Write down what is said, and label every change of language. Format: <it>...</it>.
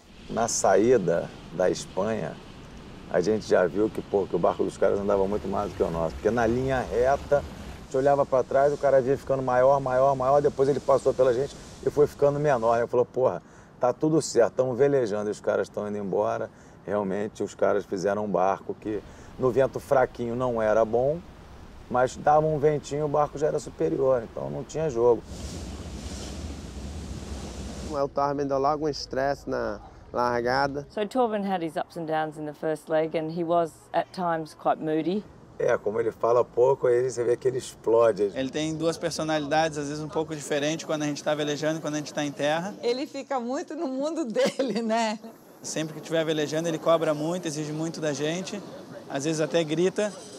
<pt>Na saída da Espanha, a gente já viu que, pô, que o barco dos caras andava muito mais do que o nosso, porque na linha reta, a gente olhava para trás, o cara via ficando maior, maior, maior, depois ele passou pela gente e foi ficando menor. Ele falou, porra, tá tudo certo, estamos velejando e os caras estão indo embora. Realmente, os caras fizeram um barco que no vento fraquinho não era bom, mas dava um ventinho e o barco já era superior, então não tinha jogo. Eu tava vendo logo um estresse na largada.</pt> <en>So Torben had his ups and downs in the first leg and he was at times quite moody.</en> <pt>É, como ele fala pouco, aí você vê que ele explode. Ele tem duas personalidades, às vezes um pouco diferente quando a gente está velejando e quando a gente está em terra. Ele fica muito no mundo dele, né? Sempre que estiver velejando, ele cobra muito, exige muito da gente. Às vezes até grita.</pt>